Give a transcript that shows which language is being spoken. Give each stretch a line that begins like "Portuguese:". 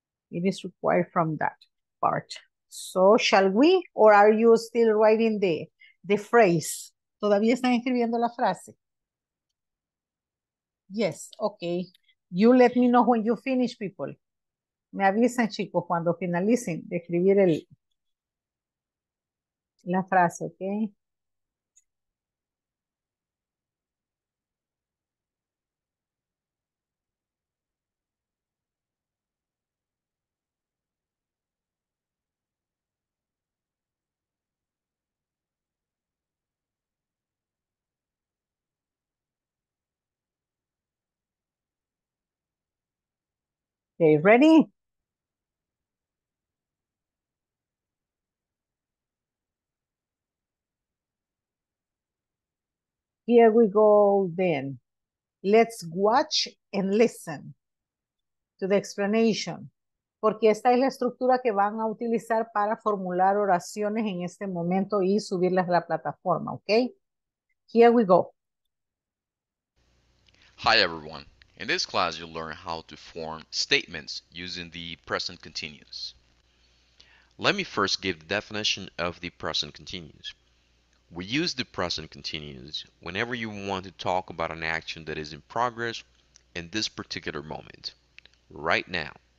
English: It is required from that part. So shall we, or are you still writing the phrase?
Spanish: ¿Todavía están escribiendo la frase?
English: Yes, okay. You let me know when you finish, people.
Spanish: Me avisan, chicos, cuando finalicen de escribir el La frase, ¿ok?
English: Okay, ready? Here we go then. Let's watch and listen to the explanation.
Spanish: Porque esta es la estructura que van a utilizar para formular oraciones en este momento y subirlas a la plataforma, okay?
English: Here we go. Hi, everyone. In this class, you'll learn how to form statements using the present continuous. Let me first give the definition of the present continuous. We use the present continuous whenever you want to talk about an action that is in progress in this particular moment, right now.